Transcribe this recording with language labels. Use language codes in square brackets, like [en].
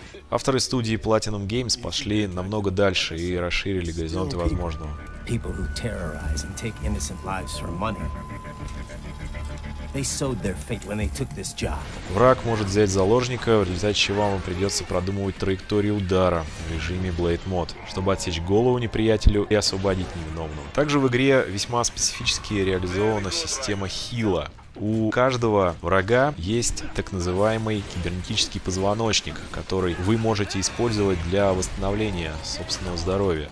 [ru] Авторы студии Platinum Games пошли намного дальше и расширили горизонты возможного. [en] People who terrorize and take innocent lives for money. They sowed their fate when they took this job. [ru] Враг может взять заложника, в результате чего вам придется продумывать траекторию удара в режиме Blade Mode, чтобы отсечь голову неприятелю и освободить невиновного. Также в игре весьма специфически реализована система хила. У каждого врага есть так называемый кибернетический позвоночник, который вы можете использовать для восстановления собственного здоровья.